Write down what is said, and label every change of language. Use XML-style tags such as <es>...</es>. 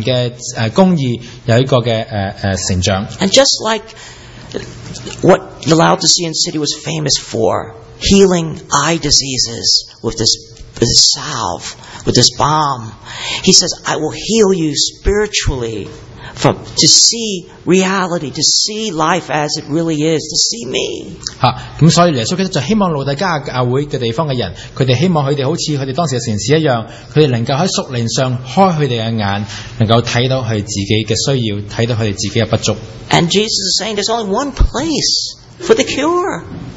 <zh>耶稣基督不希望当时的教会就在属灵上面的赤身露体或者去空虚，而反而希望他们能够披上这个神的公义，有一个成长。</zh> <en>And just like what the Laodicean city was famous for, healing eye diseases with this salve, with this balm, he says, I will heal you spiritually. To see reality, to see life as it really is, to see me.</en> <zh>所以耶稣基督就希望路德加教会的地方的人，他们希望他们好像他们当时的城市一样，他们能够在属灵上开他们的眼，能够看到他们自己的需要，看到他们自己的不足。</zh> <en>And Jesus is saying there's only one place for the cure.</en>